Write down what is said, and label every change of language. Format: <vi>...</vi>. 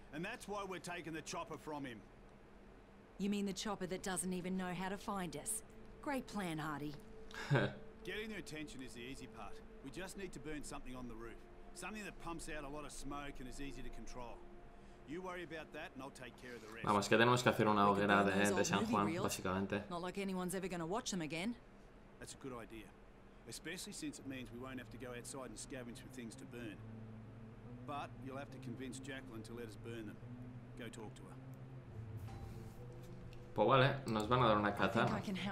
<en>And that's why we're taking the chopper from him. You mean the chopper that doesn't even know how to find us? Great plan, Hardy. Getting their attention is the easy part. We just need to burn something on the roof. Something that pumps out a lot of smoke and is easy to control. You worry about that and I'll take care of the rest.</en> <es>Vamos, que tenemos que hacer una hoguera de San Juan, básicamente.</es> <en>Not like anyone's ever gonna watch them again. That's a good idea. Especially since it means we won't have to go outside and scavenge for things to burn. But you'll have to convince Jacqueline to let us burn them. Go talk to her.</en> <es>Pues vale, nos van a dar una katana.</es>